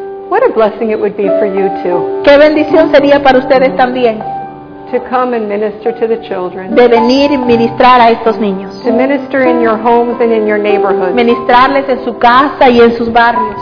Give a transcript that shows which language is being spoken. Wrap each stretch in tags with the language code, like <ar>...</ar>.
<en>what a blessing it would be for you too.</en> <es>Qué bendición sería para ustedes también.</es> <en>To come and minister to the children.</en> <es>De venir y ministrar a estos niños.</es> <en>To minister in your homes and in your neighborhoods.</en> <es>Ministrarles en su casa y en sus barrios.</es>